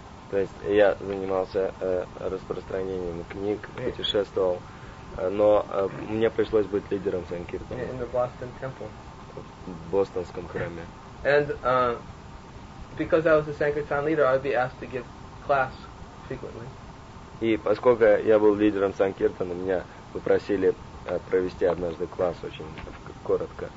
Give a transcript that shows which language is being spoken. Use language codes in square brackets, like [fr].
[ru] То есть я занимался распространением книг, путешествовал, но мне пришлось быть лидером санкиртана. [en] In the Boston Temple. [ru] В бостонском храме. [en] And because I was the sankirtan leader, I'd be asked to give class frequently. [ru] И поскольку я был лидером санкиртана, меня попросили провести однажды класс очень коротко.